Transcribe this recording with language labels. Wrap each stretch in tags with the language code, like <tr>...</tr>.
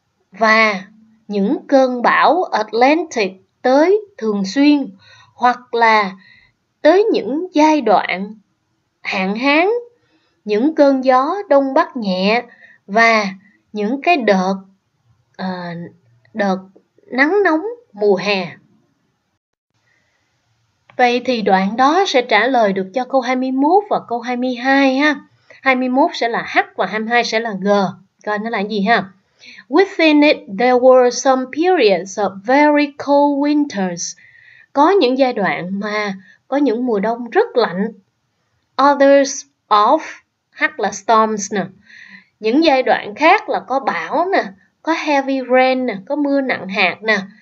<vi>và những cơn bão Atlantic tới thường xuyên, hoặc là tới những giai đoạn hạn hán, những cơn gió đông bắc nhẹ và những cái đợt đợt nắng nóng mùa hè. Vậy thì đoạn đó sẽ trả lời được cho câu 21 và câu 22 ha. 21 sẽ là H và 22 sẽ là G. Coi nó là gì ha.</vi> <en>Within it, there were some periods of very cold winters.</en> <vi>Có những giai đoạn mà có những mùa đông rất lạnh.</vi> <en>Others of,</en> <vi>H là storms nè. Những giai đoạn khác là có bão nè, có heavy rain nè, có mưa nặng hạt nè.</vi>